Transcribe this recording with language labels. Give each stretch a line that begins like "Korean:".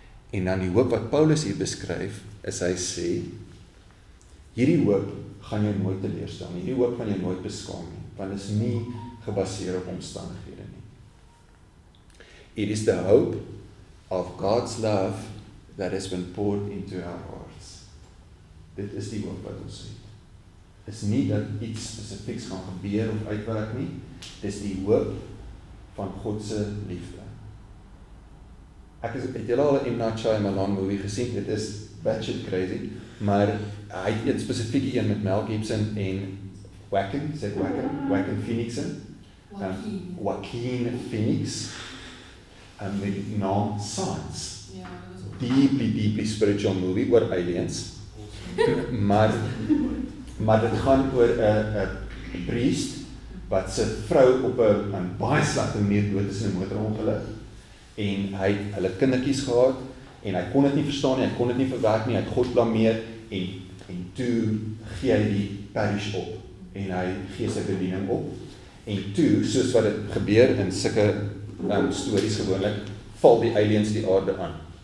Afrikaans: En dan die hoop wat Paulus hier beskryf, is hy sê, hierdie hoop gaan jou nooit teleurstel, hierdie hoop gaan jou nooit beskaam nie, want is nie gebaseer op omstandighede.
English: It is the hope of God's love that has been poured into our hearts.
Afrikaans: Dit is die hoop wat ons het. Is nie dat iets spesifieks gaan gebeur of uitwerk nie, dis die hoop van Godse liefde. Ek het julle al in M. Night Shyamalan movie gesien, dit is batshit crazy, maar hy het een spesifieke een met Mel Gibson en Joaquin, is dit Joaquin? Joaquin Phoenix in? Joaquin Phoenix. En met die naam Science.
English: Deeply, deeply spiritual movie
Afrikaans: oor aliens. Maar dit gaan oor een priest wat sy vrou op een baie slechte manier dood is in een motorongeluk. En hy het hulle kindertjies gehad en hy kon het nie verstaan nie, hy kon het nie verwerk nie, hy het God blameer en toe gee hy die parish op en hy gee sy bediening op. En toe, soos wat het gebeur in sulke stories gewoonlik, val die aliens die aarde aan.